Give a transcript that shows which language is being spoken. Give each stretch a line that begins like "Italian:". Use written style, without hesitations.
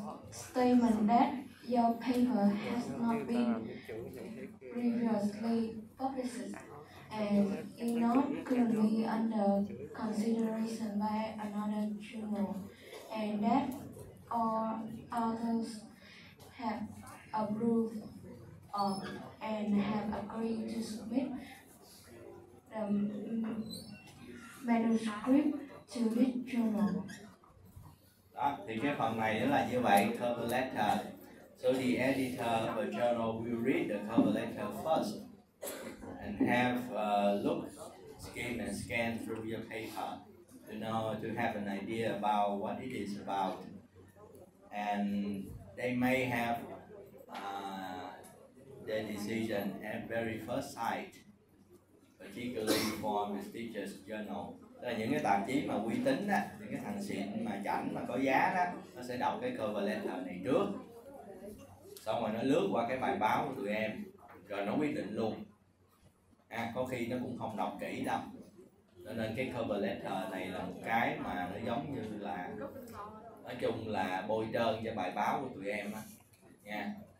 English: Statement that your paper has not been previously published and is not currently under consideration by another journal, and that all authors have approved of and have agreed to submit the manuscript to this journal.
Vietnamese: Đó, thì cái phần này là như vậy, cover letter.
English: So the editor of a journal will read the cover letter first and have a look, skim and scan through your paper to know, to have an idea about what it is about. And they may have their decision at very first sight, particularly for prestigious journal.
Vietnamese: Tức là những cái tạp chí mà uy tín á, những cái thằng xịn mà chảnh mà có giá đó, nó sẽ đọc cái cover letter này trước, xong rồi nó lướt qua cái bài báo của tụi em rồi nó quyết định luôn. À, có khi nó cũng không đọc kỹ đâu. Cho nên cái cover letter này là một cái mà nó giống như là, nói chung là bôi trơn cho bài báo của tụi em á nha.